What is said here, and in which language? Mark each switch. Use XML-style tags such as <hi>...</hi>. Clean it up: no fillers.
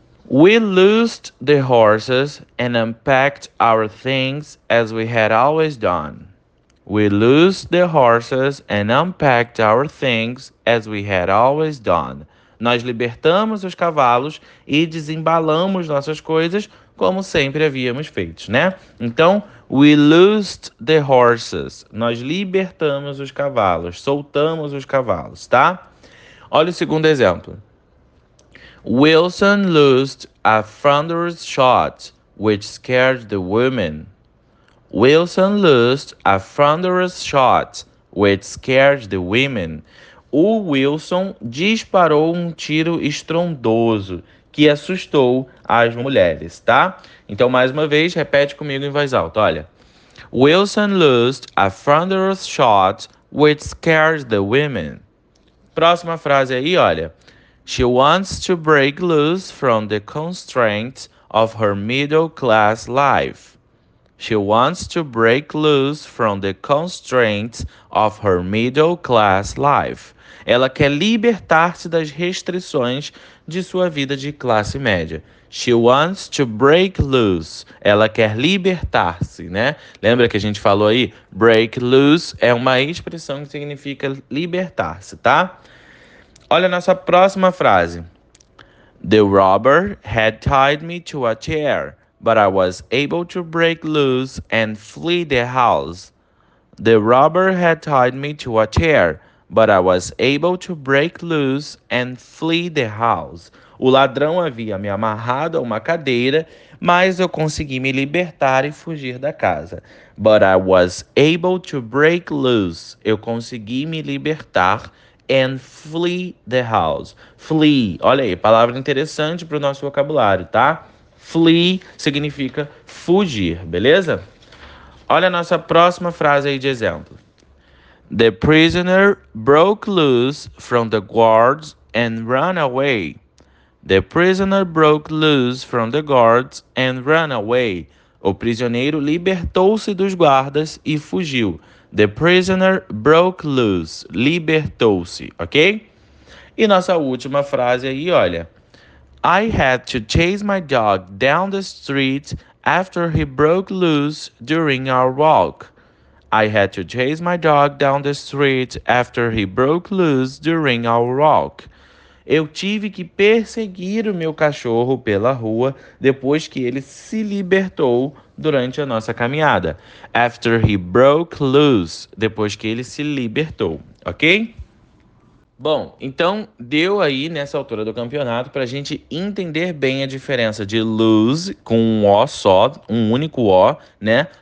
<en>We loosed the horses and unpacked our things as we had always done. We loosed the horses and unpacked our things as we had always done.</en> <pt>Nós libertamos os cavalos e desembalamos nossas coisas como sempre havíamos feito, né? Então,</pt> <en>we loosed the horses.</en> <pt>Nós libertamos os cavalos, soltamos os cavalos, tá? Olha o segundo exemplo.</pt> <en>Wilson loosed a thunderous shot, which scared the women. Wilson loosed a thunderous shot, which scared the women.</en> <pt>O Wilson disparou um tiro estrondoso que assustou as mulheres, tá? Então, mais uma vez, repete comigo em voz alta, olha.</pt> <en>Wilson loosed a thunderous shot which scares the women.</en> <pt>Próxima frase aí, olha.</pt> <en>She wants to break loose from the constraints of her middle class life. She wants to break loose from the constraints of her middle class life.</en> <pt>Ela quer libertar-se das restrições de sua vida de classe média.</pt> <en>She wants to break loose.</en> <pt>Ela quer libertar-se, né? Lembra que a gente falou aí? Break loose é uma expressão que significa libertar-se, tá? Olha a nossa próxima frase.</pt> <en>The robber had tied me to a chair, but I was able to break loose and flee the house. The robber had tied me to a chair, but I was able to break loose and flee the house.</en> <pt>O ladrão havia me amarrado a uma cadeira, mas eu consegui me libertar e fugir da casa.</pt> <en>But I was able to break loose.</en> <pt>Eu consegui me libertar</pt> <en>and flee the house.</en> <pt>Flee, olha aí, palavra interessante para o nosso vocabulário, tá? Flee significa fugir, beleza? Olha a nossa próxima frase aí de exemplo.</pt> <en>The prisoner broke loose from the guards and ran away. The prisoner broke loose from the guards and ran away.</en> <pt>O prisioneiro libertou-se dos guardas e fugiu.</pt> <en>The prisoner broke loose,</en> <pt>libertou-se, ok? E nossa última frase aí, olha.</pt> <en>I had to chase my dog down the street after he broke loose during our walk. I had to chase my dog down the street after he broke loose during our walk.</en> <pt>Eu tive que perseguir o meu cachorro pela rua depois que ele se libertou durante a nossa caminhada.</pt> <en>After he broke loose,</en> <pt>depois que ele se libertou, ok? Bom, então deu aí nessa altura do campeonato para a gente entender bem a diferença de lose com um O só, um único O, né?</pt>